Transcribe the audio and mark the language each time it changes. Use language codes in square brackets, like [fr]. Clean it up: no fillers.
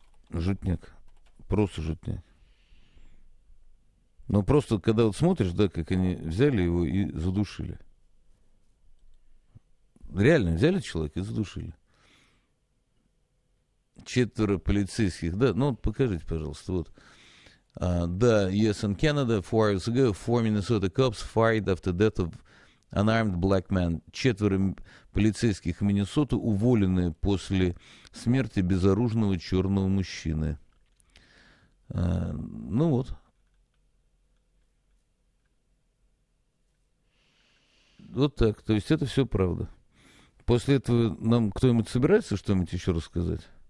[ru] Жутняк. Просто жутняк. Но просто, когда вот смотришь, да, как они взяли его и задушили. Реально взяли человека и задушили. Четверо полицейских. Да, ну вот покажите, пожалуйста, вот. [en] Да, US and Canada, 4 hours ago, 4 Minnesota cops fired after death of unarmed black man. [ru] Четверо полицейских Миннесоты уволены после смерти безоружного черного мужчины. Ну вот. Вот так, то есть это все правда. После этого нам кто-нибудь собирается что-нибудь еще рассказать?